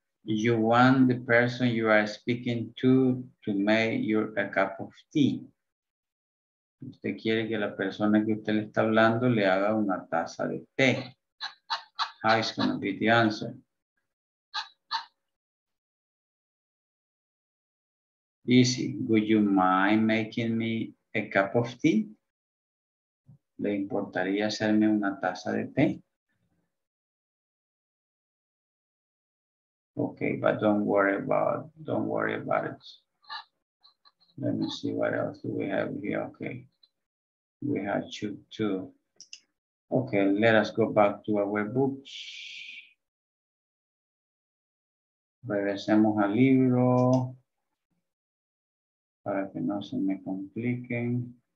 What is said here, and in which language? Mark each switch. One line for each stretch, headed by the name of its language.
English: You want the person you are speaking to make your a cup of tea.
Spanish: Usted quiere que la persona que usted le está hablando le haga una taza de té.
English: How is going to be the answer? Easy. Would you mind making me a cup of tea?
Spanish: ¿Le importaría hacerme una taza de té?
English: Okay, but don't worry about it. Let me see what else do we have here. Okay. We have 2. Okay, let us go back to our books.
Spanish: Regresemos al libro para que no se me compliquen.